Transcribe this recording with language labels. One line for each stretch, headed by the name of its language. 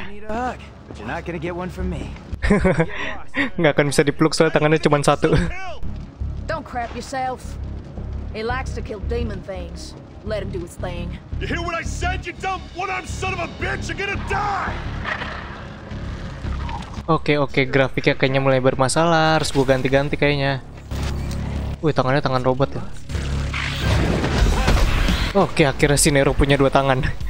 English: But you're not gonna get one from me.
Indonesian: Nggak akan bisa dipeluk soalnya tangannya cuma satu.
English: Don't crap yourself. He likes to kill demon things. Let him do his thing. You hear what I said, you dumb one-armed son of a bitch? You're gonna die!
Indonesian: Okay, grafiknya kayaknya mulai bermasalah. Harus gue ganti-ganti kayaknya. Wih, tangannya tangan robot loh. Okay, akhirnya si Nero punya dua tangan.